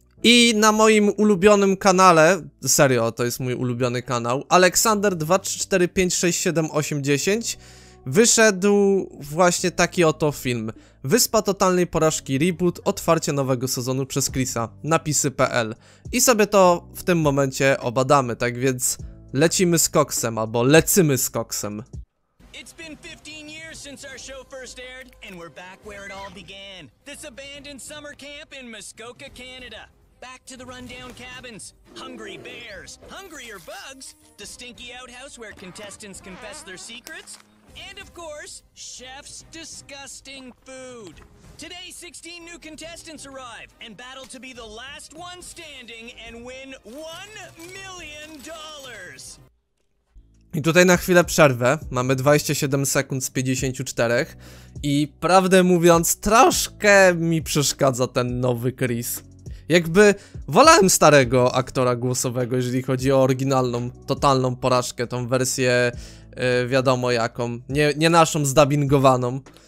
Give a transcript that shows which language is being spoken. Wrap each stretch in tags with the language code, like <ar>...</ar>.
<pl>I na moim ulubionym kanale, serio, to jest mój ulubiony kanał, Aleksander 2345678010, wyszedł właśnie taki oto film. Wyspa Totalnej Porażki Reboot, otwarcie nowego sezonu przez Chrisa, napisy.pl. I sobie to w tym momencie obadamy, tak więc lecimy z koksem, albo lecymy z koksem.</pl> <en>It's been 15 years since our show first aired, and we're back where it all began. This abandoned summer camp in Muskoka, Canada. Back to the rundown cabins. Hungry bears, hungrier bugs. The stinky outhouse where contestants confess their secrets. And of course, chef's disgusting food. Today, 16 new contestants arrive and battle to be the last one standing and win $1,000,000.</en> <pl>I tutaj na chwilę przerwę. Mamy 27 sekund z 54. I prawdę mówiąc, troszkę mi przeszkadza ten nowy Chris. Jakby wolałem starego aktora głosowego, jeżeli chodzi o oryginalną, totalną porażkę, tą wersję wiadomo jaką, nie naszą zdabingowaną.</pl>